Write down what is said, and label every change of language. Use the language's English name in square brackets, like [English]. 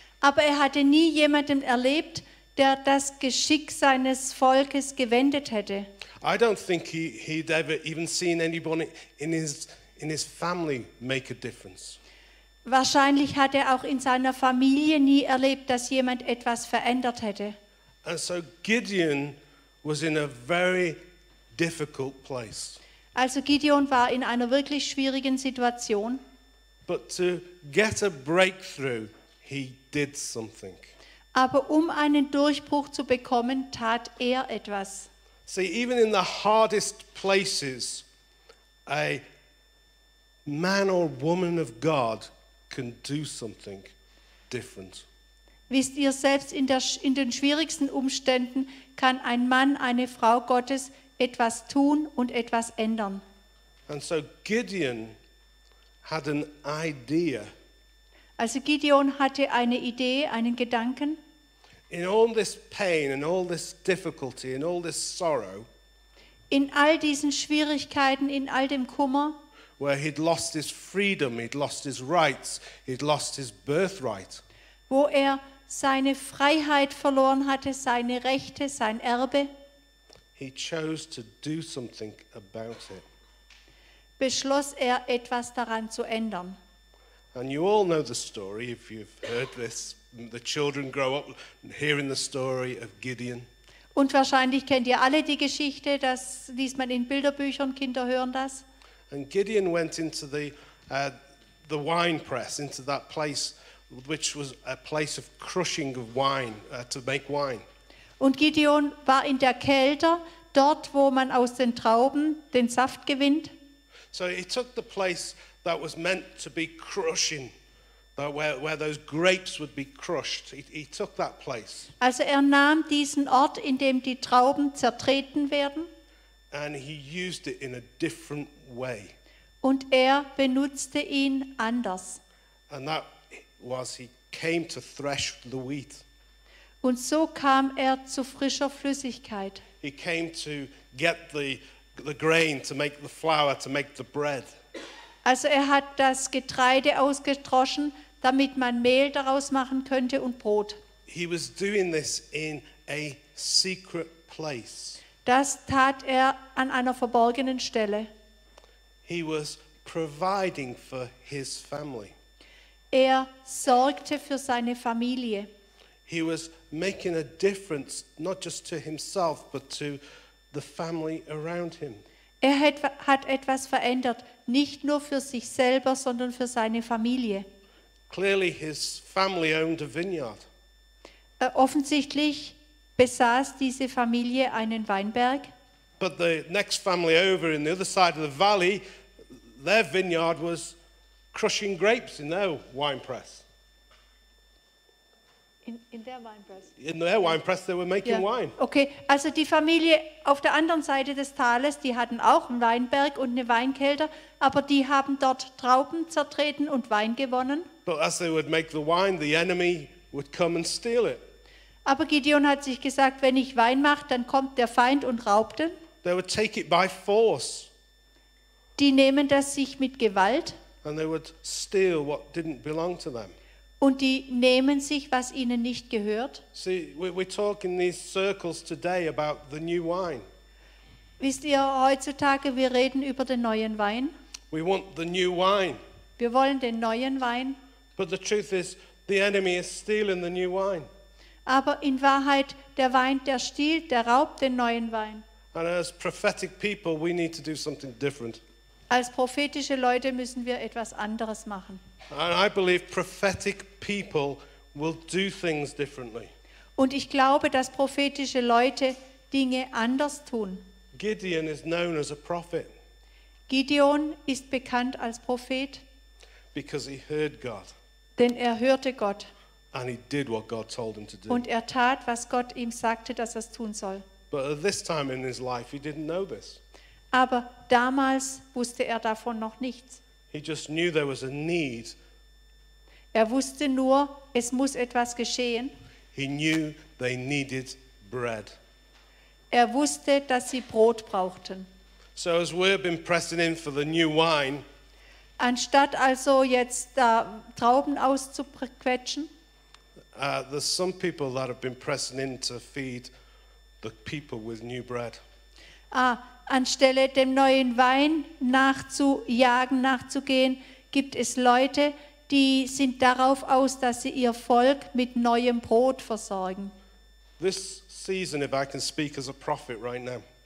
[German] Aber er hatte nie jemanden erlebt, der das Geschick seines Volkes gewendet hätte. [English] I don't think he'd ever even seen anybody in his family make a difference. [German] Wahrscheinlich hat er auch in seiner Familie nie erlebt, dass jemand etwas verändert hätte. [English] And so Gideon was in a very difficult place. [German] Also Gideon war in einer wirklich schwierigen Situation. [English] But to get a breakthrough, he did something. [German] Aber um einen Durchbruch zu bekommen, tat er etwas. [English] See, even in the hardest places, a man or woman of God can do something different. [German] Wisst ihr, selbst in den schwierigsten Umständen kann ein Mann, eine Frau Gottes etwas tun und etwas ändern. [English] And so Gideon had an idea. [German] Also Gideon hatte eine Idee, einen Gedanken. [English] In all this pain and all this difficulty and all this sorrow, [German] in all diesen Schwierigkeiten, in all dem Kummer, [English] where he'd lost his freedom, he'd lost his rights, he'd lost his birthright, [German] wo er seine Freiheit verloren hatte, seine Rechte, sein Erbe, [English] he chose to do something about it. [German] Beschloss er, etwas daran zu ändern. [English] And you all know the story, if you've heard this, the children grow up hearing the story of Gideon. [German] Und wahrscheinlich kennt ihr alle die Geschichte, das liest man in Bilderbüchern, Kinder hören das. [English] And Gideon went into the wine press, into that place, which was a place of crushing of wine, to make wine. [German] Und Gideon war in der Kelter, dort, wo man aus den Trauben den Saft gewinnt. [English] So he took the place that was meant to be crushing, that where those grapes would be crushed. He took that place. [German] Also er nahm diesen Ort, in dem die Trauben zertreten werden. [English] And he used it in a different way. [German] Und er benutzte ihn anders. [English] And that was he came to thresh the wheat. [German] Und so kam er zu frischer Flüssigkeit. [English] He came to get the grain, to make the flour, to make the bread. [German] Also er hat das Getreide ausgedroschen, damit man Mehl daraus machen könnte und Brot. [English] He was doing this in a secret place. [German] Das tat er an einer verborgenen Stelle. [English] He was providing for his family. [German] Er sorgte für seine Familie. [English] He was making a difference, not just to himself, but to the family around him. [German] Er hat etwas verändert, nicht nur für sich selber, sondern für seine Familie. [English] Clearly his family owned a vineyard. [German] Offensichtlich besaß diese Familie einen Weinberg. [English] But the next family over in the other side of the valley, their vineyard was crushing grapes in their wine press. In their wine press, they were making wine. [German] Okay, also die Familie auf der anderen Seite des Tales, die hatten auch einen Weinberg und eine Weinkelter, aber die haben dort Trauben zertreten und Wein gewonnen. [English] But as they would make the wine, the enemy would come and steal it. [German] Aber Gideon hat sich gesagt, wenn ich Wein mache, dann kommt der Feind und raubt ihn. [English] They would take it by force. [German] Die nehmen das sich mit Gewalt. [English] And they would steal what didn't belong to them. [German] Und die nehmen sich, was ihnen nicht gehört. [English] See, we talk in these circles today about the new wine. [German] Wisst ihr, heutzutage, wir reden über den neuen Wein. [English] We want the new wine. [German] Wir wollen den neuen Wein. [English] But the truth is, the enemy is stealing the new wine. [German] Aber in Wahrheit, der Wein, der stiehlt, der raubt den neuen Wein. [English] And as prophetic people, we need to do something different. [German] Als prophetische Leute müssen wir etwas anderes machen. [English] And I believe prophetic people will do things differently. [German] Und ich glaube, dass prophetische Leute Dinge anders tun. [English] Gideon is known as a prophet. [German] Gideon ist bekannt als Prophet. [English] Because he heard God. [German] Denn er hörte Gott. [English] And he did what God told him to do. [German] Und er tat, was Gott ihm sagte, dass er tun soll. [English] But at this time in his life, he didn't know this. [German] Aber damals wusste er davon noch nichts. [English] He just knew there was a need. [German] Er wusste nur, es muss etwas geschehen. [English] He knew they needed bread. [German] Er wusste, dass sie Brot brauchten. [English] So as we've been pressing in for the new wine, [German] anstatt also jetzt da Trauben auszuquetschen, [English] there's some people that have been pressing in to feed the people with new bread. [German] Anstelle dem neuen Wein nachzujagen, nachzugehen, gibt es Leute, die sind darauf aus, dass sie ihr Volk mit neuem Brot versorgen. [English] This season, if I can speak as a prophet right now.